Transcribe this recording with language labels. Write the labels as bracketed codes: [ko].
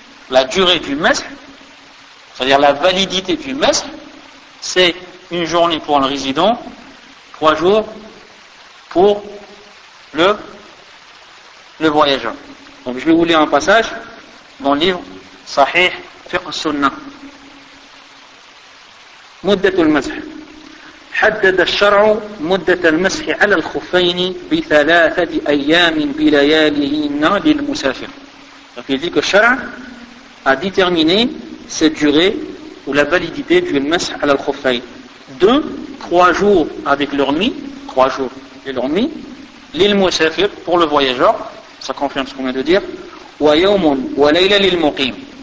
[fr] La durée du mesh, c'est-à-dire la validité du mesh, c'est une journée pour le résident, 3 jours pour le voyageur. Donc je vais vous lire un passage dans le livre Sahih Fiqh Sunnah. [ar] Muddatul mesh. حدد الشرع مدة المسح على الخفين بثلاثة أيام بلياليهن للمسافر. [fr] Donc il dit que le shara a déterminé cette durée ou la validité du masah ala al-khuffayn. 2-3 jours avec leur nuit, 3 jours et leur nuit, lil-musafir pour le voyageur, ça confirme ce qu'on vient de dire, [ar] wa yawmun wa layla lil-muqim.